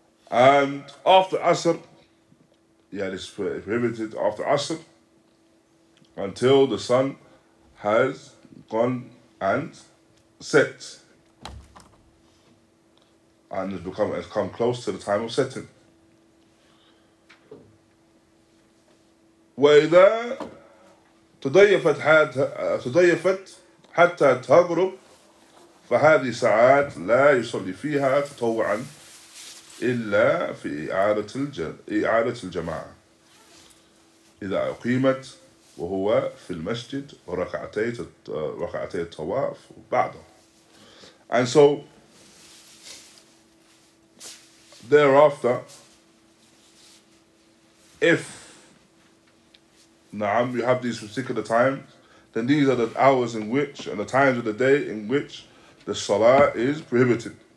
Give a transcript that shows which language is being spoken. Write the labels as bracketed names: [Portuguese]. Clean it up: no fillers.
[English] And after Asr, yeah, it's prohibited after Asr until the sun has gone and set and has come close to the time of setting. [Arabic] وَإِذَا تضيفت حتى تغرب فهذه ساعات لا يصلي فيها تطوعا إلا في إعادة الجماعة إذا أقيمت وهو في المسجد ركعتي الطواف بعده. [English] And so thereafter, if Naam, you have these particular times, then these are the hours in which, and the times of the day in which the salah is prohibited.